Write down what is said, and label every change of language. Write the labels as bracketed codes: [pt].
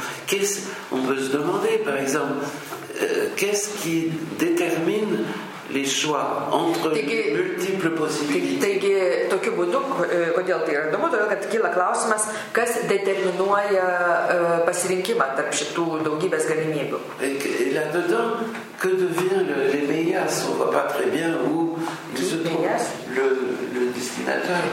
[fr] Qu'est-ce, on peut se demander, par exemple, qu'est-ce qui détermine les choix entre [lt] taigi, [fr] multiples possibilités. [lt] Taigi, tokiu būdu, kodėl tai yra įdomu, todėl, kad kyla klausimas, kas determinuoja pasirinkimą tarp šitų daugybės galimybių. [fr] Et là-dedans, que devient les meilleurs? On voit pas très bien où se trouve le destinateur.